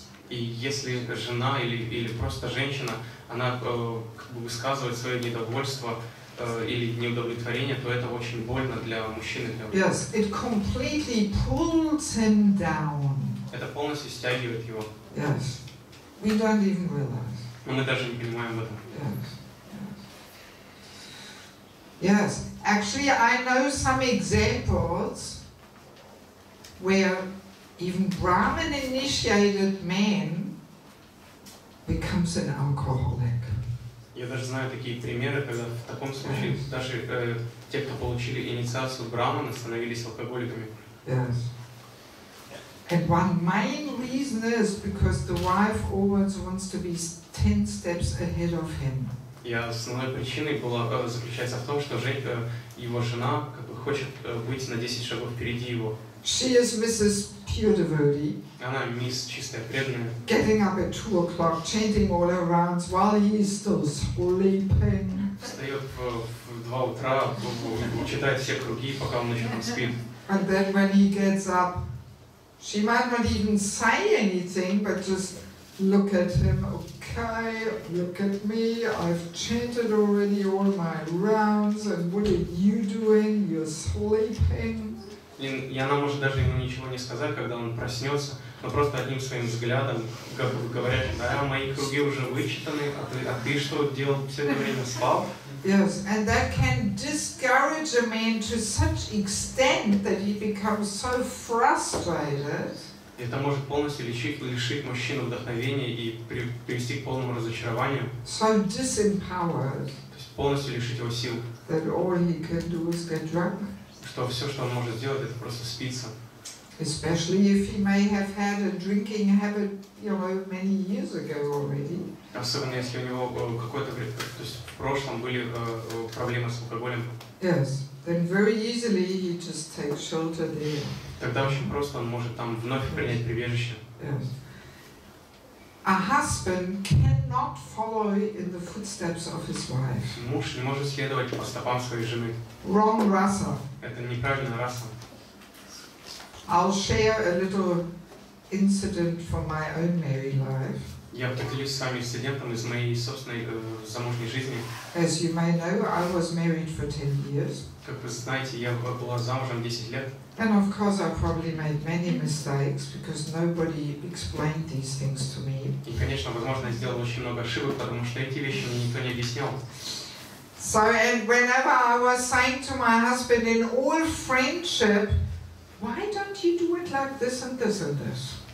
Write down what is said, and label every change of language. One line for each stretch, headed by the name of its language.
Russian: И если жена или просто женщина, она высказывает свое недовольство или неудовлетворение, то это очень больно для мужчины.
English: Yes, it completely pulls him down.
Russian: Это полностью стягивает его.
English: Yes, we don't even realize.
Russian: Но мы даже не понимаем этого.
English: Yes. Actually, I know some examples where even Brahmin-initiated man becomes an alcoholic.
Russian: Я даже знаю такие примеры, когда в таком случае даже те, кто получили инициацию Брахмана, становились алкоголиками.
English: Yes. And one main reason is because the wife always wants to be 10 steps ahead of him.
Russian: Я основной причиной была заключается в том, что его жена как бы хочет быть на 10 шагов впереди его.
English: She is Mrs. Pure Devotee.
Russian: Она мисс чистая преданная.
English: Getting up at 2 o'clock, chanting all her rounds while he is still sleeping.
Russian: Встает в 2 утра, читает все круги, пока он еще там спит.
English: And then when he gets up, she might not even say anything, but just look at him. Okay, look at me. I've chanted already all my rounds. And what are you doing? You're sleeping.
Russian: и она может даже ему ничего не сказать, когда он проснется, но просто одним своим взглядом говорят, да, мои круги уже вычитаны, а ты что делал, все это время спал?
English: Yes, and that can discourage a man to such extent that he becomes so frustrated.
Russian: Это может полностью лишить мужчину вдохновения и привести к полному разочарованию.
English: So disempowered.
Russian: То есть полностью лишить его сил.
English: That all he can do is get drunk.
Russian: Что все, что он может сделать, это просто спиться.
English: Especially if he may have had a drinking habit, you know, many years ago already.
Russian: Особенно если у него какое-то, то есть в прошлом были проблемы с алкоголем.
English: Yes. Then very easily he just takes shelter there.
Russian: Тогда очень просто он может там вновь принять прибежище.
English: Yes. A husband cannot follow in the footsteps of his wife.
Russian: Муж не может следовать по стопам своей жены.
English: Wrong rasa.
Russian: Это неправильная раса.
English: I'll share a little incident from my own married life.
Russian: Я поделюсь с вами инцидентом из моей собственной замужней жизни.
English: As you may know, I was married for 10 years.
Russian: Как вы знаете, я была замужем 10 лет.
English: And of course, I probably made many mistakes because nobody explained these things to me.
Russian: И, конечно, возможно, я сделал очень много ошибок, потому что эти вещи мне никто не объяснял.
English: So, and whenever I was saying to my husband in all friendship, why don't you do it like this and this and this?